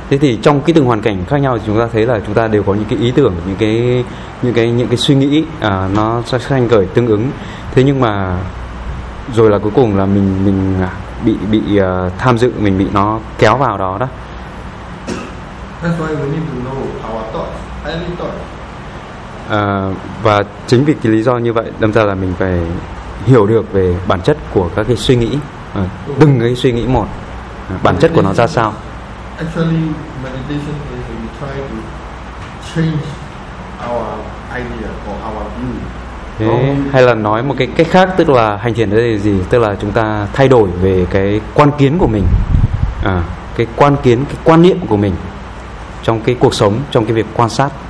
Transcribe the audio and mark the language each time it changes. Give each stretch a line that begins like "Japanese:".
Vietnamese: Thế thì trong cái từng hoàn cảnh khác nhau thì chúng ta thấy là chúng ta đều có những cái ý tưởng, những cái suy nghĩ nó sanh khởi tương ứng. Thế nhưng mà rồi là cuối cùng là mình bị tham dự, mình bị nó kéo vào đó đó.
English: That's why we need to know our thoughts, every thought.
Vietnamese: Và chính vì cái lý do như vậy, đâm ra là mình phải hiểu được về bản chất của các cái suy nghĩ, từng cái suy nghĩ một, bản chất của nó ra sao.
English: Actually, meditation is we try to change our idea or our view.
Vietnamese: Thế, hay là nói một cái cách khác, tức là hành thiền ở đây là gì? Tức là chúng ta thay đổi về cái quan kiến của mình, cái quan kiến, cái quan niệm của mình trong cái cuộc sống, trong cái việc quan sát.